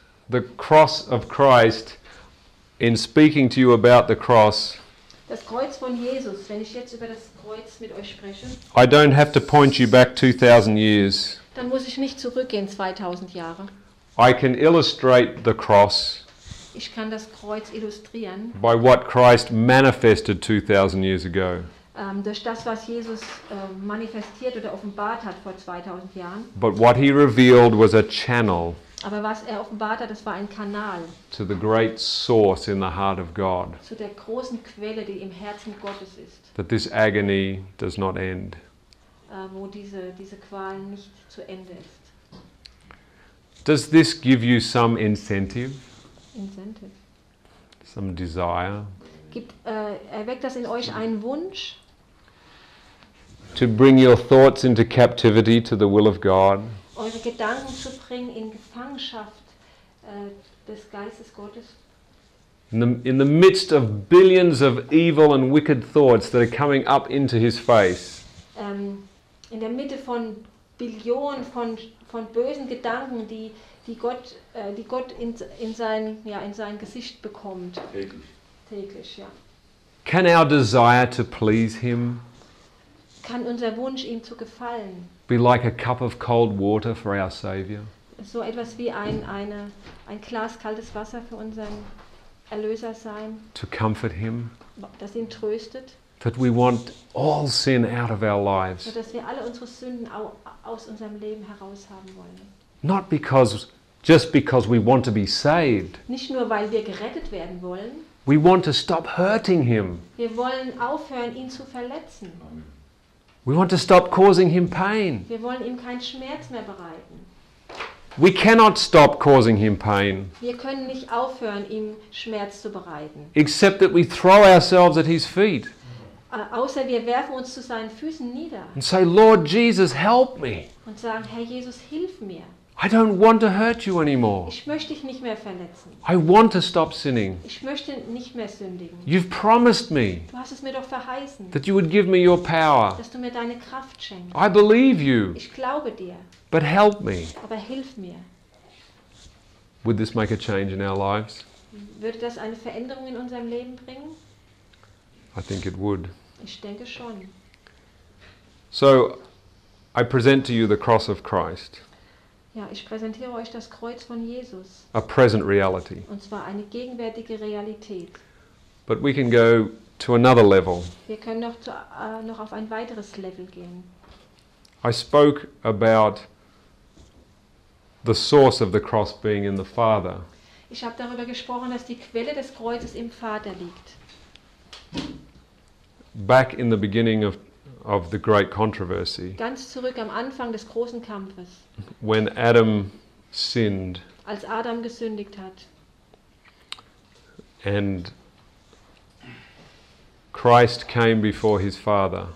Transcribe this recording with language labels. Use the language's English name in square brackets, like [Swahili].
[English] The cross of Christ, in speaking to you about the cross. [German] Das Kreuz von Jesus, wenn ich jetzt über das Kreuz mit euch spreche. [English] I don't have to point you back 2000 years. [German] Dann muss ich nicht zurückgehen 2000 Jahre. [English] I can illustrate the cross. [German] Ich kann das Kreuz illustrieren. [English] By what Christ manifested 2000 years ago. [German] Durch das, was Jesus manifestiert oder offenbart hat vor 2000 Jahren. [English] But what he revealed was a channel. [German] Aber was er offenbart hat, das war ein Kanal. [English] To the great source in the heart of God. [German] Zu der großen Quelle, die im Herzen Gottes ist. [English] That this agony does not end. [German] Wo diese Qual nicht zu Ende ist. [English] Does this give you some incentive? Incentive. Some desire? [German] Erweckt das in euch einen Wunsch? [English] To bring your thoughts into captivity to the will of God? [German] Eure Gedanken zu bringen in Gefangenschaft des Geistes Gottes? [English] In the midst of billions of evil and wicked thoughts that are coming up into his face. [German] In der Mitte von Billionen von bösen Gedanken, die Gott in sein Gesicht bekommt. Täglich, ja. [English] Can our desire to please him? [German] Kann unser Wunsch ihm zu gefallen? [English] Be like a cup of cold water for our Savior. [German] So etwas wie ein Glas kaltes Wasser für unseren Erlöser sein. [English] To comfort him. [German] Das ihn tröstet. [English] That we want all sin out of our lives. [German] Dass wir alle unsere Sünden aus unserem Leben heraus haben wollen. [English] Not because, just because we want to be saved. [German] Nicht nur, weil wir gerettet werden wollen. [English] We want to stop hurting him. [German] Wir wollen aufhören, ihn zu verletzen. [English] We want to stop causing him pain. [German] Wir wollen ihm keinen Schmerz mehr bereiten. [English] We cannot stop causing him pain. [German] Wir können nicht aufhören, ihm Schmerz zu bereiten. [English] Except that we throw ourselves at his feet. [German] Außer wir werfen uns zu seinen Füßen nieder. [English] And say, Lord Jesus, help me. [German] Und sagen, Herr Jesus, hilf mir. [English] I don't want to hurt you anymore. [German] Ich möchte dich nicht mehr verletzen. [English] I want to stop sinning. [German] Ich möchte nicht mehr sündigen. [English] You've promised me. [German] Du hast es mir doch verheißen. [English] That you would give me your power. [German] Dass du mir deine Kraft schenkst. [English] I believe you. [German] Ich glaube dir. [English] But help me. [German] Aber hilf mir. [English] Would this make a change in our lives? [German] Würde das eine Veränderung in unserem Leben bringen? [English] I think it would. [German] Ich denke schon. [English] So, I present to you the cross of Christ. [German] Ja, ich präsentiere euch das Kreuz von Jesus. [English] A present reality. [German] Und zwar eine gegenwärtige Realität. [English] But we can go to another level. [German] Wir können noch auf ein weiteres Level gehen. [English] I spoke about the source of the cross being in the Father. [German] Ich habe darüber gesprochen, dass die Quelle des Kreuzes im Vater liegt. [English] Back in the beginning of the great controversy. [German] Ganz zurück am Anfang des großen Kampfes. [English] When Adam sinned. [German] Als Adam gesündigt hat. [English] And Christ came before his Father.